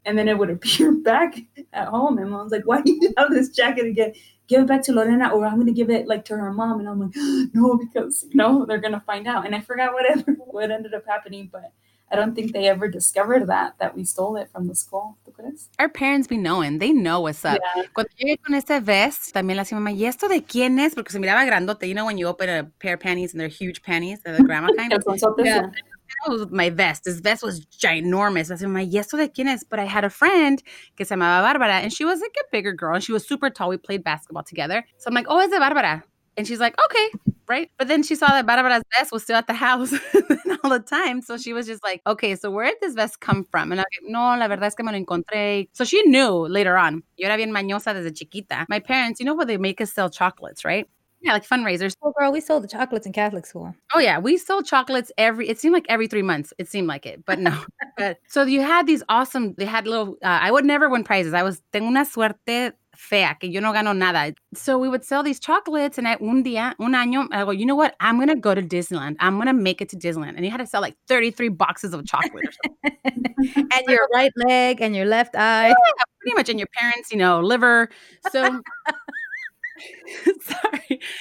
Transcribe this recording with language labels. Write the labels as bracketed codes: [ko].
[en] And then it would appear back at home. And I was like, why do you have this jacket again? Give it back to Lorena or I'm going to give it like to her mom. And I'm like, no, because you know, they're going to find out. And I forgot what ended up happening, but I don't think they ever discovered that we stole it from the school. Our parents be knowing. They know what's up. Yeah. [es] Cuando llegué con ese vest, también la hacía mamá, ¿y esto de quién es? Porque se miraba grandote. [en] You know when you open a pair of panties and they're huge panties, they're the grandma kind? Yeah. That was my vest. This vest was ginormous. [es] La hacía mamá, ¿y esto de quién es? [en] But I had a friend [es] que se llamaba Bárbara, [en] and she was like a bigger girl, and she was super tall. We played basketball together. So I'm like, oh, [es] es de Bárbara. [en] And she's like, okay, right? But then she saw that Bárbara's vest was still at the house all the time. So she was just like, okay, so where did this vest come from? And I'm like, [es] no, la verdad es que me lo encontré. [en] So she knew later on. [es] Yo era bien mañosa desde chiquita. [en] My parents, you know where they make us sell chocolates, right? Yeah, like fundraisers. Well, girl, we sold the chocolates in Catholic school. Oh, yeah. We sold chocolates every 3 months. It seemed like it, but no. So you had these awesome, they had little, I would never win prizes. I was, [es] tengo una suerte fea, que yo no gano nada. [en] So we would sell these chocolates, and [es] un año, [en] I go, you know what? I'm going to go to Disneyland. I'm going to make it to Disneyland. And you had to sell like 33 boxes of chocolate. And your right leg and your left eye. Yeah, pretty much, and your parents, you know, liver. So, sorry.